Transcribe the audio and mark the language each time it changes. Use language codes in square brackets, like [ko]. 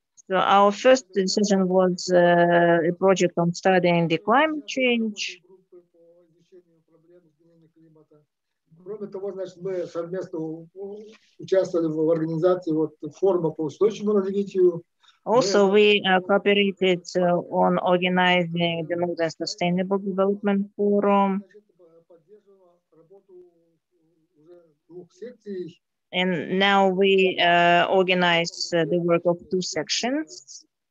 [en] So our first decision was a project on studying the climate change. [ru] Кроме того, значит, мы совместно участвовали в организации вот форума по устойчивому развитию. [en] Also, we cooperated on organizing the Northern Sustainable Development Forum. And now we organize the work of 2 sections.